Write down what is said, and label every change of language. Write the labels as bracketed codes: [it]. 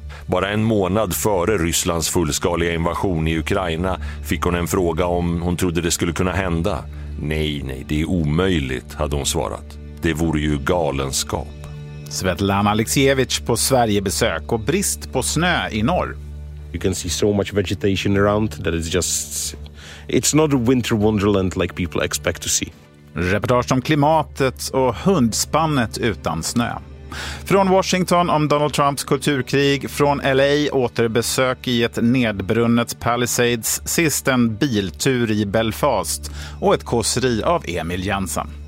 [sv] Bara en månad före Rysslands fullskaliga invasion i Ukraina fick hon en fråga om hon trodde det skulle kunna hända. Nej, det är omöjligt, hade hon svarat. Det vore ju galenskap. Svetlana Alexievich på Sverigebesök och brist på snö i norr. [en] You can see so much vegetation around that it's just... It's not a winter wonderland like people expect to see. [sv] Reportage om klimatet och hundspannet utan snö. Från Washington om Donald Trumps kulturkrig. Från LA återbesök i ett nedbrunnet Palisades. Sist en biltur i Belfast. Och ett kåseri av Emil Jensen.